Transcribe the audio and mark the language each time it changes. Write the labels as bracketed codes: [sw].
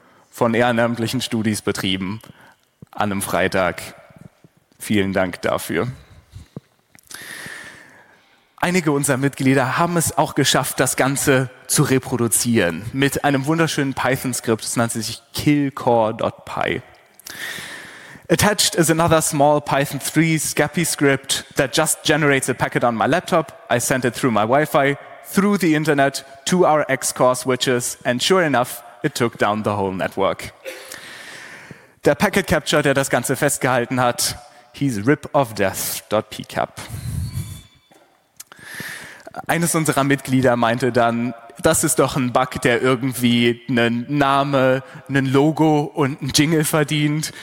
[de] Von ehrenamtlichen Studis betrieben. An einem Freitag. Vielen Dank dafür. Einige unserer Mitglieder haben es auch geschafft, das Ganze zu reproduzieren. Mit einem wunderschönen Python-Skript. Das nennt sich killcore.py. [en] Attached is another small Python 3 SCAPI script that just generates a packet on my laptop. I sent it through my Wi-Fi, through the internet, to our X-Core switches, and sure enough, it took down the whole network. [de] Der Packet Capture, der das Ganze festgehalten hat, hieß ripofdeath.pcap. Eines unserer Mitglieder meinte dann, das ist doch ein Bug, der irgendwie einen Namen, ein Logo und einen Jingle verdient.